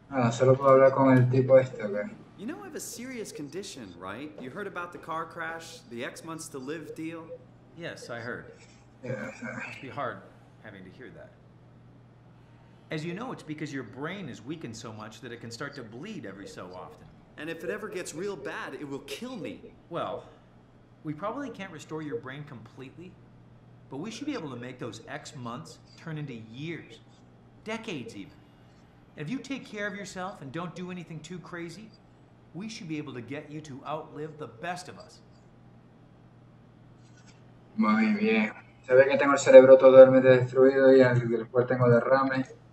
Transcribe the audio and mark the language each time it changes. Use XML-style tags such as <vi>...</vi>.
<es>Solo puedo hablar con el tipo este, ¿ok?</es> <en>You know I have a serious condition, right? You heard about the car crash, the X months to live deal? Yes, I heard. It must be hard having to hear that. As you know, it's because your brain is weakened so much that it can start to bleed every so often. And if it ever gets real bad, it will kill me. Well, we probably can't restore your brain completely, but we should be able to make those X months turn into years, decades even. And if you take care of yourself and don't do anything too crazy, we should be able to get you to outlive the best of us.</en> <es>Muy bien. Se ve que tengo el cerebro totalmente destruido y después tengo derrame.</es>